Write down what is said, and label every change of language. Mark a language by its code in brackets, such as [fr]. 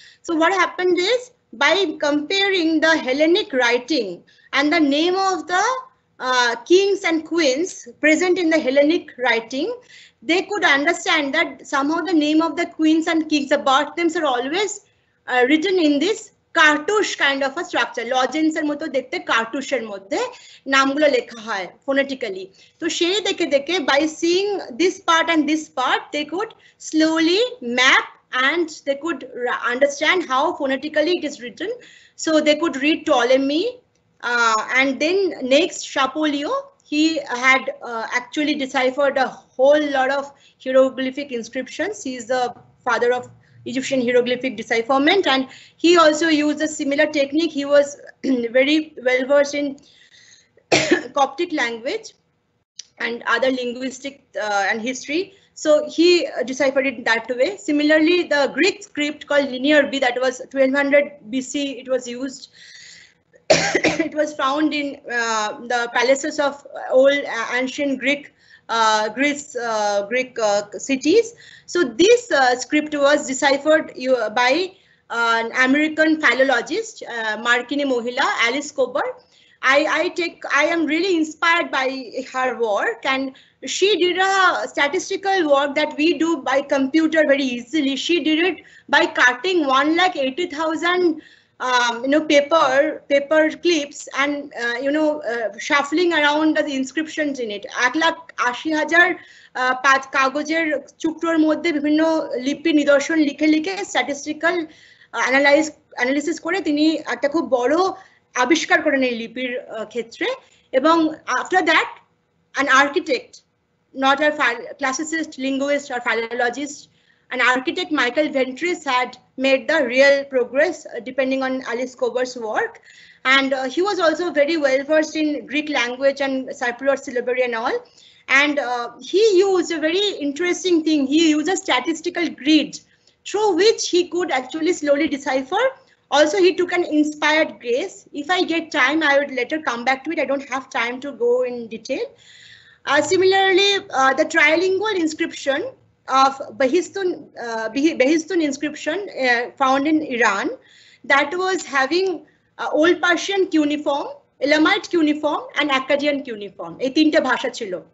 [en] So what happened is, by comparing the Hellenic writing and the name of the kings and queens present in the Hellenic writing, they could understand that somehow the name of the queens and kings, the birth names, are always written in this cartouche kind of a structure, [bn] লজেন্সের মতো দেখতে কার্টুশের মধ্যে নামগুলো লেখা হয় ফোনেটিক্যালি। তো সেই দেখে দেখে, [en] By seeing this part and this part, they could slowly map and they could understand how phonetically it is written. So they could read Ptolemy and then next Champollion, he had actually deciphered a whole lot of hieroglyphic inscriptions, he is the father of Egyptian hieroglyphic decipherment, and he also used a similar technique. He was very well versed in Coptic language and other linguistic and history, so he deciphered it that way. Similarly, the Greek script called Linear B, that was 1200 BC, it was used it was found in the palaces of old ancient Greek Greek cities. So this script was deciphered by an American philologist, [bn] Markini Mohila, [en] Alice Kober. I am really inspired by her work, and she did a statistical work that we do by computer very easily. She did it by cutting 180,000 paper clips and shuffling around the inscriptions in it. [bn] 180,000 পাঁচ কাগজের চুকটোর মধ্যে বিভিন্ন লিপি নিদর্শন লিখে লিখে statistical analysis করে তিনি একটা খুব বড় আবিষ্কার করেন এই লিপির ক্ষেত্রে। [en] এবং after that an architect, not a classicist, linguist আর philologist, an architect Michael Ventris had made the real progress depending on Alice Kober's work. And he was also very well versed in Greek language and Cypriot syllabary and all. And he used a very interesting thing. He used a statistical grid through which he could actually slowly decipher. Also, he took an inspired grace. If I get time, I would later come back to it. I don't have time to go in detail. Similarly, the trilingual inscription of Behistun inscription found in Iran, that was having old Persian cuneiform, Elamite cuneiform, and Akkadian cuneiform. [bn] এই তিনটা ভাষা ছিল।